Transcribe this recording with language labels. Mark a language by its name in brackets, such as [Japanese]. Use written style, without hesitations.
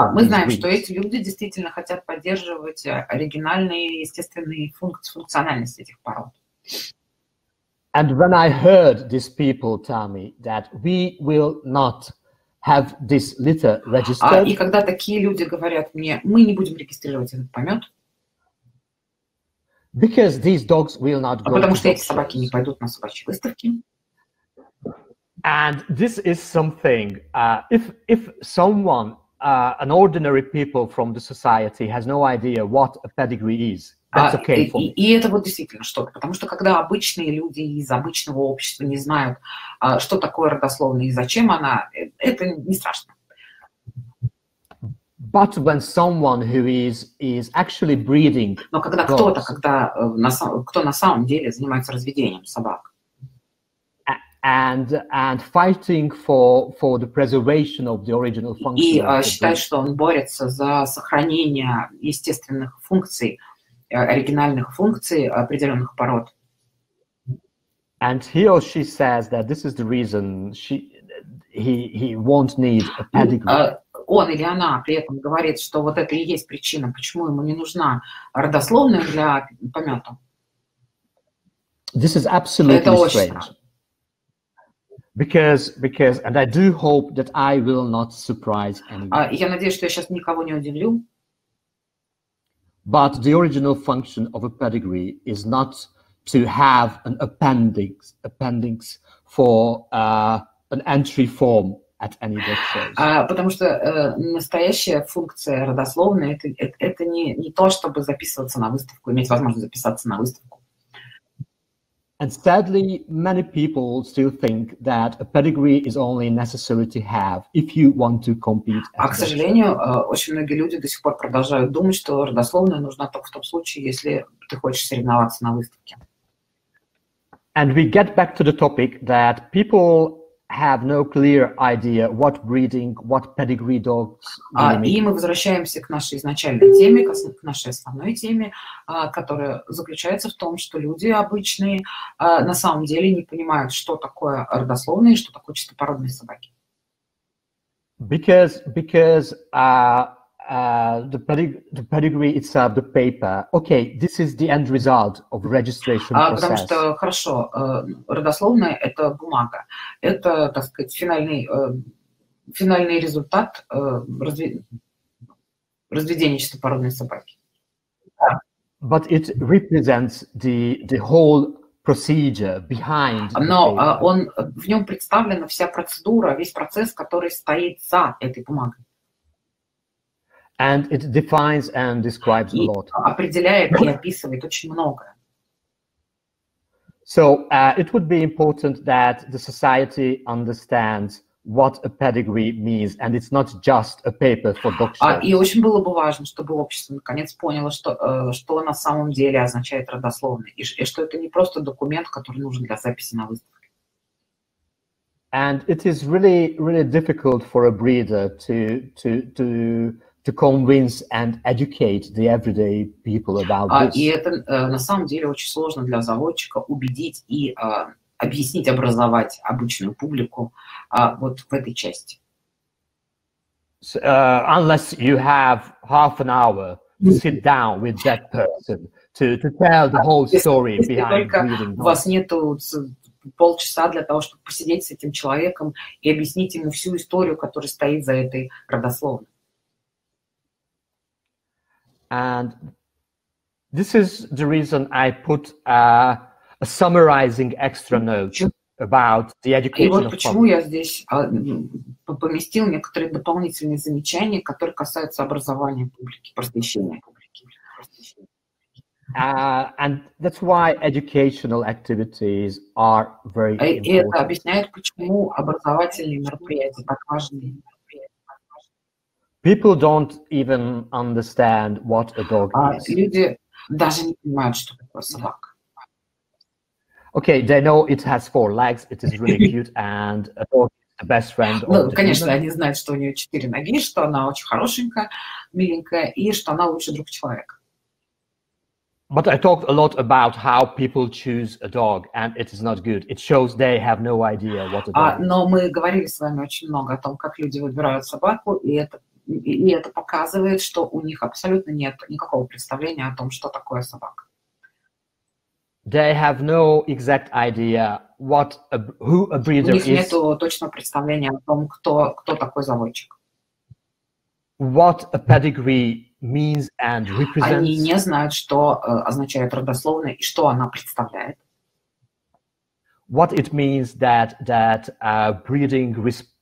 [Russian] Мы знаем, что эти люди действительно хотят поддерживать оригинальные естественные функциональность этих пород. [English] And when I heard these people tell me that we will not have this litter registered, [Russian] и когда такие люди говорят мне, мы не будем регистрировать этот помет, [English] because these dogs will not go, [Russian] потому что эти собаки не пойдут на собачьи выставки. [English] And this is something. If someone, an ordinary people from the society, has no idea what a pedigree is. Okay, [Russian] и это вот действительно что-то, потому что когда обычные люди из обычного общества не знают, что такое родословная и зачем она, это не страшно. [English] But when someone who is actually breeding, [Russian] но когда [English] dogs, [Russian] кто-то, когда кто на самом деле занимается разведением собак, [English] and fighting for the preservation of the original function, [Russian] и считает, что он борется за сохранение естественных функций оригинальных функций определенных пород. [English] And he or she says that this is the reason he won't need a pedigree. [Russian] Он или она при этом говорит, что вот это и есть причина, почему ему не нужна родословная для помета. [English] This is absolutely [Russian] это [English] strange. Because and I do hope that I will not surprise anyone. [Russian] Я надеюсь, что я сейчас никого не удивлю. [English] But the original function of a pedigree is not to have an appendix for an entry form at any dog show. [Russian] Потому что настоящая функция родословная это не то, чтобы записываться на выставку, иметь возможность записаться на выставку. [English] And sadly, many people still think that a pedigree is only necessary to have if you want to compete. [Russian] А, к сожалению, очень многие люди до сих пор продолжают думать, что родословная нужна только в том случае, если ты хочешь соревноваться на выставке. [English] And we get back to the topic that people have no clear idea what breeding, what pedigree dogs. [Russian] И мы возвращаемся к нашей изначальной теме, к нашей основной теме, которая заключается в том, что люди обычные на самом деле не понимают, что такое родословные, что такое чистопородные собаки. [English] Because the pedigree itself, the paper. Okay, this is the end result of registration process. [Russian] Потому что хорошо, родословная это бумага, это, так сказать, финальный результат разведения чистопородной собаки. [English] But it represents the whole procedure behind. [Russian] Но он в нем представлена вся процедура, весь процесс, который стоит за этой бумагой. [English] And it defines and describes a lot. [Russian] Определяет и описывает очень много. [English] So it would be important that the society understands what a pedigree means, and it's not just a paper for dog shows. [Russian] И очень было бы важно, чтобы общество наконец поняло, что на самом деле означает родословный, и что это не просто документ, который нужен для записи на выставке. [English] And it is really, really difficult for a breeder to convince and educate the everyday people about this. [Russian] И это на самом деле очень сложно для заводчика убедить и объяснить, образовать обычную публику вот в этой части. [English] So, unless you have half an hour to sit down with that person to tell the whole story behind reading. [Russian] У вас нету полчаса для того, чтобы посидеть с этим человеком и объяснить ему всю историю, которая стоит за этой родословной. [English] And this is the reason I put a summarizing extra note about the education. [Russian] И вот почему я здесь поместил некоторые дополнительные замечания, которые касаются образования публики, просвещения публики. [English] And that's why educational activities are very important. [Russian] И это объясняет, почему образовательные мероприятия так важны. [English] People don't even understand what a dog is. [Russian] Люди даже не понимают, что такое собака. [English] Okay, they know it has four legs, it is really cute, and a dog is the best friend of the human. [Russian] Ну, конечно, они знают, что у нее четыре ноги, что она очень хорошенькая, миленькая, и что она лучший друг человека. [English] But I talked a lot about how people choose a dog, and it is not good. It shows they have no idea what a dog is. [Russian] Но мы говорили с вами очень много о том, как люди выбирают собаку, и это показывает, что у них абсолютно нет никакого представления о том, что такое собака. [English] They have no exact idea what who a breeder is. [Russian] У них нету точного представления о том, кто такой заводчик. [English] What a pedigree means and represents. [Russian] Они не знают, что означает родословная и что она представляет. [English] What it means that breeding responds.